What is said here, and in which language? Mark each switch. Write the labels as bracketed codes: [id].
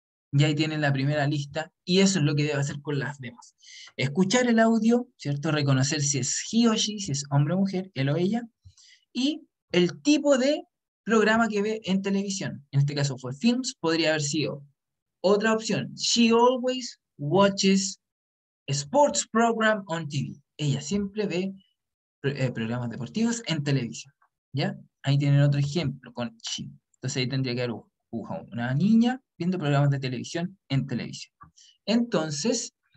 [es] Y ahí tienen la primera lista, y eso es lo que debe hacer con las demás. Escuchar el audio, ¿cierto? Reconocer si es he o she, si es hombre o mujer, él o ella, y el tipo de programa que ve en televisión. En este caso fue films, podría haber sido otra opción. [en] She always watches sports program on TV. [es] Ella siempre ve programas deportivos en televisión. ¿Ya? Ahí tienen otro ejemplo con she. Entonces ahí tendría que haber una niña viendo programas de televisión en televisión. Entonces,